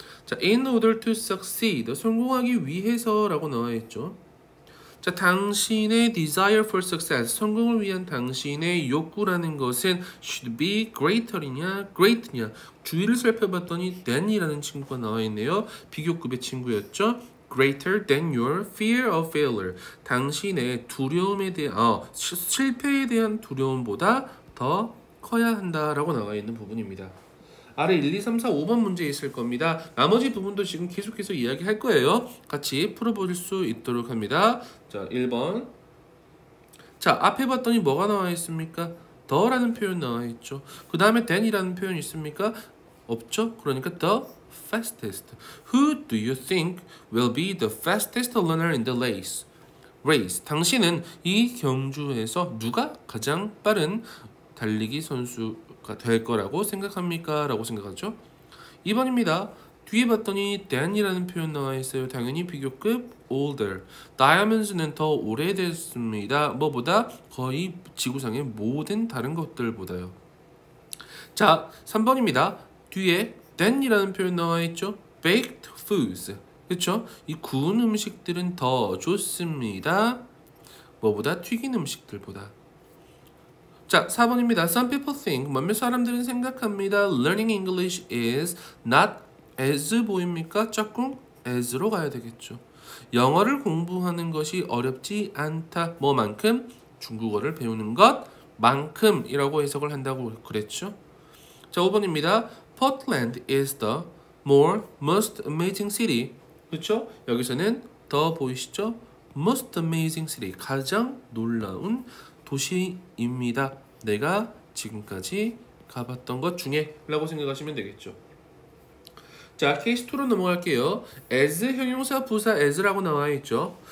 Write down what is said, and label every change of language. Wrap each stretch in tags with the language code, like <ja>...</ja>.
<ko>자,</ko> <en>in order to succeed,</en> <ko>성공하기 위해서 라고 나와 있죠. 자, 당신의</ko> <en>desire for success,</en> <ko>성공을 위한 당신의 욕구라는 것은 should be greater이냐, great냐. 주의를 살펴봤더니 than이라는 친구가 나와 있네요. 비교급의 친구였죠.</ko> <en>greater than your fear of failure.</en> <ko>당신의 두려움에 대한, 실패에 대한 두려움보다 더 커야 한다라고 나와 있는 부분입니다. 아래 1, 2, 3, 4, 5번 문제에 있을 겁니다. 나머지 부분도 지금 계속해서 이야기할 거예요. 같이 풀어보실 수 있도록 합니다. 자, 1번. 자, 앞에 봤더니 뭐가 나와 있습니까? 더라는 표현 나와 있죠. 그 다음에 than이라는 표현 있습니까? 없죠?</ko> <en>그러니까 the fastest. Who do you think will be the fastest runner in the race? Race.</en> <ko>당신은 이 경주에서 누가 가장 빠른 달리기 선수가 될 거라고 생각합니까? 라고 생각하죠. 2번입니다. 뒤에 봤더니 than이라는 표현 나와 있어요. 당연히 비교급 older. Diamonds는 더 오래됐습니다. 뭐보다 거의 지구상의 모든 다른 것들보다요. 자, 3번입니다. 뒤에 than이라는 표현 나와 있죠.</ko> <en>Baked foods. 그렇죠?</en> <ko>이 구운 음식들은 더 좋습니다. 뭐보다 튀긴 음식들보다. 자, 4번입니다.</ko> <en>Some people think,</en> <ko>몇몇 사람들은 생각합니다.</ko> <en>Learning English is not as 보입니까?</en> <ko>조금 as로 가야 되겠죠. 영어를 공부하는 것이 어렵지 않다. 뭐만큼? 중국어를 배우는 것만큼 이라고 해석을 한다고 그랬죠. 자, 5번입니다.</ko> <en>Portland is the more most amazing city.</en> <ko>그렇죠? 여기서는 더 보이시죠?</ko> <en>Most amazing city.</en> <ko>가장 놀라운 도시입니다. 내가 지금까지 가봤던 것 중에 라고 생각하시면 되겠죠. 자, 케이스 2로 넘어갈게요. as 형용사 부사 as 라고 나와 있죠.</ko>